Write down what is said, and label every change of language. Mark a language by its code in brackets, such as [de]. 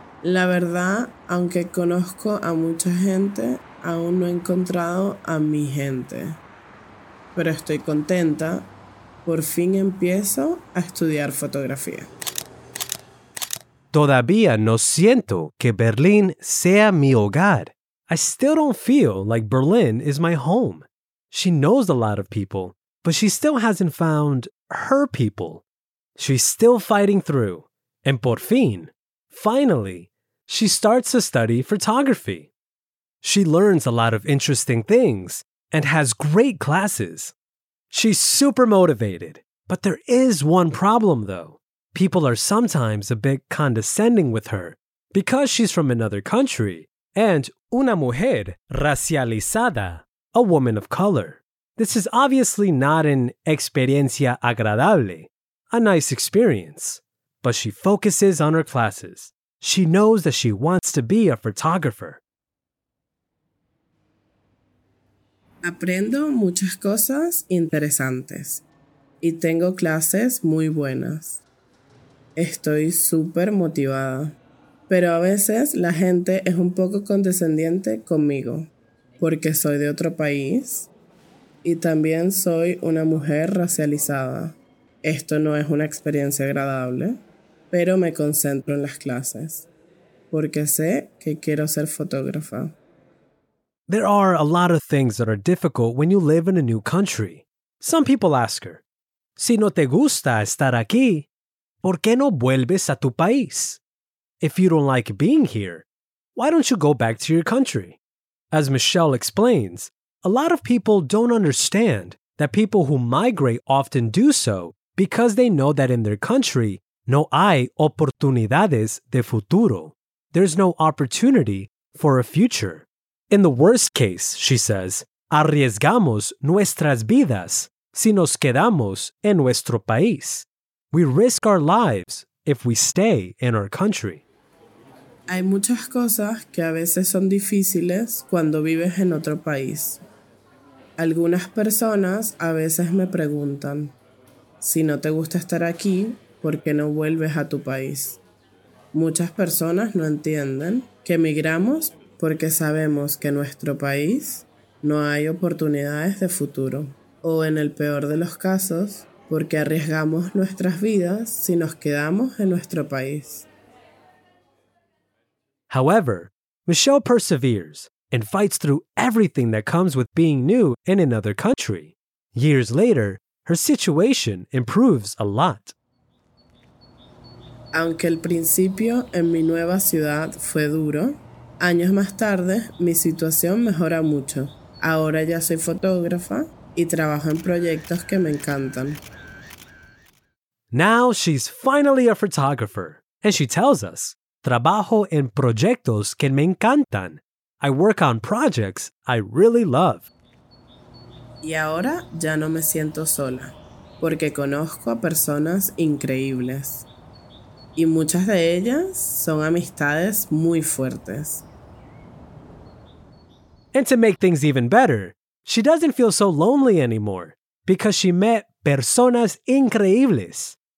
[es] La verdad, aunque conozco a mucha gente, aún no he encontrado a mi gente. Pero estoy contenta. Por fin empiezo a estudiar fotografía. Todavía no siento que Berlín sea mi hogar. [en] I still don't feel like Berlin is my home. She knows a lot of people, but she still hasn't found her people. She's still fighting through. And [es] por fin, [en] finally, she starts to study photography. She learns a lot of interesting things and has great classes. She's super motivated, but there is one problem though. People are sometimes a bit condescending with her because she's from another country and [es] una mujer racializada, [en] a woman of color. This is obviously not an [es] experiencia agradable, [en] a nice experience, but she focuses on her classes. She knows that she wants to be a photographer. [es] aprendo muchas cosas interesantes y tengo clases muy buenas. Estoy súper motivada. Pero a veces la gente es un poco condescendiente conmigo porque soy de otro país y también soy una mujer racializada. Esto no es una experiencia agradable, pero me concentro en las clases porque sé que quiero ser fotógrafa. [en] There are a lot of things that are difficult when you live in a new country. Some people ask her, [es] si no te gusta estar aquí, ¿por qué no vuelves a tu país? [en] If you don't like being here, why don't you go back to your country? As Michelle explains, a lot of people don't understand that people who migrate often do so because they know that in their country, [es] no hay oportunidades de futuro. [en] There's no opportunity for a future. In the worst case, she says, [es] arriesgamos nuestras vidas si nos quedamos en nuestro país. [en] We risk our lives if we stay in our country. [es] Hay muchas cosas que a veces son difíciles cuando vives en otro país. Algunas personas a veces me preguntan, si no te gusta estar aquí, ¿por qué no vuelves a tu país? Muchas personas no entienden que emigramos porque sabemos que en nuestro país no hay oportunidades de futuro. O en el peor de los casos, porque arriesgamos nuestras vidas si nos quedamos en nuestro país. [en] However, Michelle perseveres and fights through everything that comes with being new in another country. Years later, her situation improves a lot. [es] Aunque el principio en mi nueva ciudad fue duro, años más tarde mi situación mejora mucho. Ahora ya soy fotógrafa y trabajo en proyectos que me encantan. [en] Now she's finally a photographer, and she tells us, [es] trabajo en proyectos que me encantan. [en] I work on projects I really love. [es] Y ahora ya no me siento sola, porque conozco a personas increíbles. Y muchas de ellas son amistades muy fuertes. [en] And to make things even better, she doesn't feel so lonely anymore, because she met [es] personas increíbles.